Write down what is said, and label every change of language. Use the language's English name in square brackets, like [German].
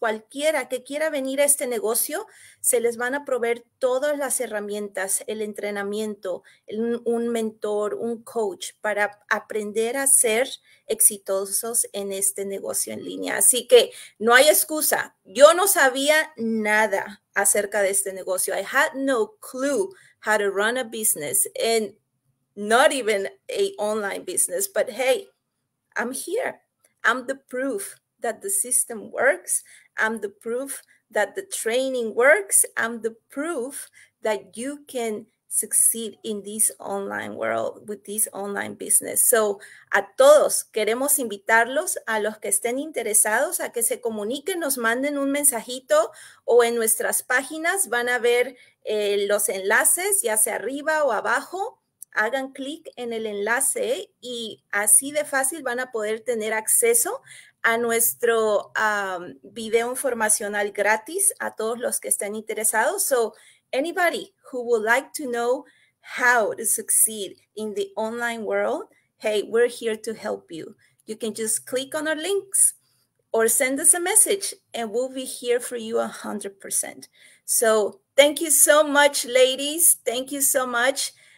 [Spanish] Cualquiera que quiera venir a este negocio, se les van a proveer todas las herramientas, el entrenamiento, un mentor, un coach para aprender a ser exitosos en este negocio en línea. Así que no hay excusa. Yo no sabía nada acerca de este negocio. [English] I had no clue how to run a business and not even a online business, but hey, I'm here. I'm the proof that the system works. I'm the proof that the training works. I'm the proof that you can succeed in this online world with this online business. [Spanish] So, a todos queremos invitarlos, a los que estén interesados, a que se comuniquen, nos manden un mensajito o en nuestras páginas van a ver los enlaces, ya sea arriba o abajo. Hagan clic en el enlace y así de fácil van a poder tener acceso a nuestro video informacional gratis a todos los que estén interesados. [English] So, anybody who would like to know how to succeed in the online world, hey, we're here to help you. You can just click on our links or send us a message and we'll be here for you 100%. So, thank you so much, ladies. Thank you so much.